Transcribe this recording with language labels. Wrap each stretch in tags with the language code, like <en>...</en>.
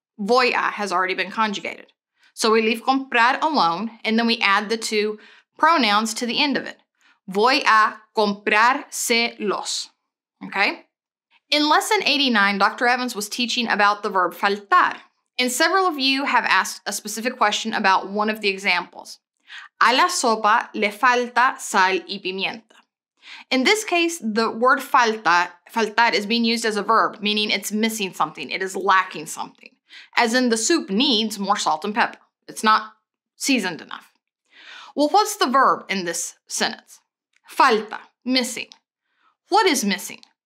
<en>Voy a has already been conjugated. So we leave comprar alone, and then we add the two pronouns to the end of it.</en> <es>Voy a comprárselos. Okay?</es> <en>In lesson 89, Dr. Evans was teaching about the verb faltar. And several of you have asked a specific question about one of the examples.</en> <es>A la sopa le falta sal y pimienta.</es> <en>In this case, the word faltar is being used as a verb, meaning it's missing something, it is lacking something. As in, the soup needs more salt and pepper. It's not seasoned enough. Well, what's the verb in this sentence? Falta, missing. What is missing?</en>